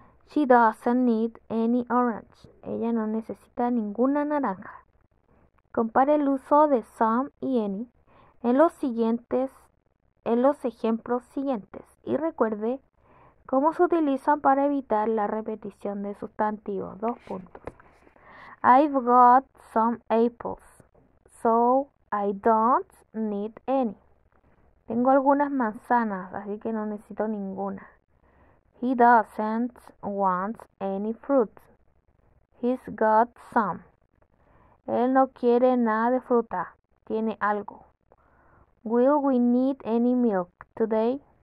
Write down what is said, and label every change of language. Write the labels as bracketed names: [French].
[English] She doesn't need any orange. [Spanish] Ella no necesita ninguna naranja. Compare el uso de some y any en los ejemplos siguientes y recuerde cómo se utilizan para evitar la repetición de sustantivos. Dos puntos. [English] I've got some apples, so I don't need any. [Spanish] Tengo algunas manzanas, así que no necesito ninguna. [English] He doesn't want any fruit. He's got some. [Spanish] Él no quiere nada de fruta. Tiene algo. [English] Will we need any milk today?